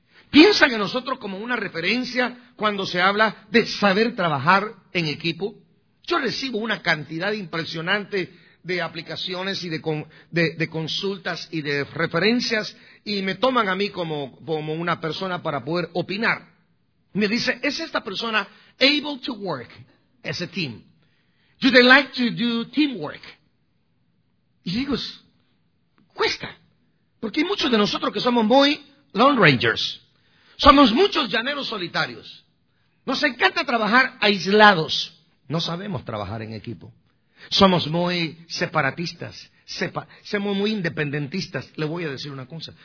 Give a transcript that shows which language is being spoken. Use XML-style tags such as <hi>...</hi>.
<es>¿Piensan en nosotros como una referencia cuando se habla de saber trabajar en equipo? Yo recibo una cantidad impresionante de aplicaciones y de consultas y de referencias y me toman a mí como una persona para poder opinar. Me dice, ¿es esta persona</es> <en>able to work as a team? Do they like to do teamwork?</en> <es>Y digo, cuesta. Porque hay muchos de nosotros que somos muy Lone Rangers. Somos muchos llaneros solitarios. Nos encanta trabajar aislados. No sabemos trabajar en equipo. Somos muy separatistas. Somos muy independentistas. Le voy a decir una cosa.</es>